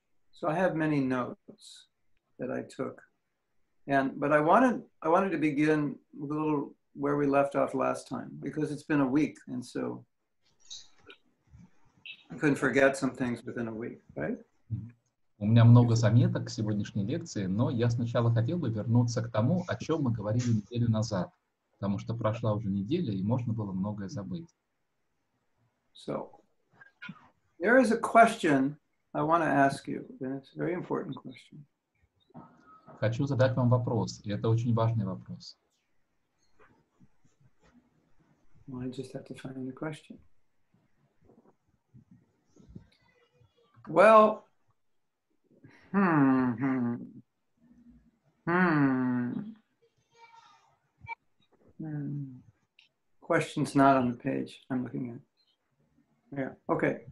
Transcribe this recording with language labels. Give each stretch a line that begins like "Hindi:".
English: So I have many notes that I took. But I wanted to begin with a little where we left off last time because it's been a week and so I couldn't forget some things within a week, right?
Russian: У меня много заметок к сегодняшней лекции, но я сначала хотел бы вернуться к тому, о чем мы говорили неделю назад, потому что прошла уже неделя, и можно было многое забыть.
English: So, there is a question I want to ask you, and it's a very important question.
Russian: Хочу задать вам вопрос, и это очень важный вопрос.
English: Well, I just have to find the question. Well, Question's not on the page I'm looking at. Yeah, okay.